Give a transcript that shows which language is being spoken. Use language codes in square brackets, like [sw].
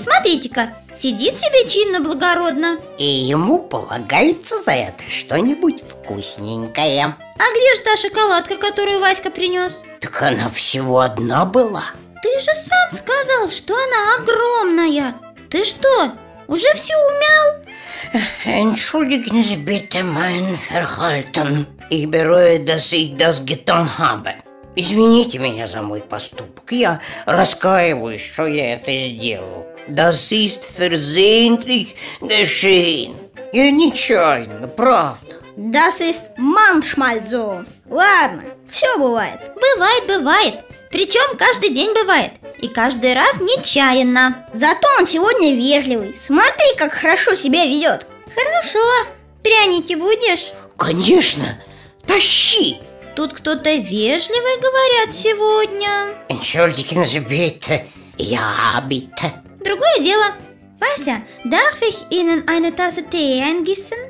[ru] Смотрите-ка, сидит себе чинно, благородно. И ему полагается за это что-нибудь вкусненькое. А где же та шоколадка, которую Васька принес? Так она всего одна была. Ты же сам сказал, что она огромная. Ты что, уже все умял? [de] Entschuldigen Sie bitte mein Verhalten. Ich bereue, dass ich das getan habe. [ru] Извините меня за мой поступок. Я раскаиваюсь, что я это сделал. [de] Das ist versehentlich geschehen. [ru] Я нечаянно, правда. [de] Das ist manchmal so. [ru] Ладно, все бывает. Бывает, бывает. Причем каждый день бывает. И каждый раз нечаянно. Зато он сегодня вежливый. Смотри, как хорошо себя ведет. Хорошо. Пряники будешь? Конечно. Тащи. Тут кто-то вежливый, говорят, сегодня. [de] Entschuldigen Sie bitte. Ja, bitte. [ru] Другое дело. [de] Вася, darf ich Ihnen eine Tasse Tee eingießen?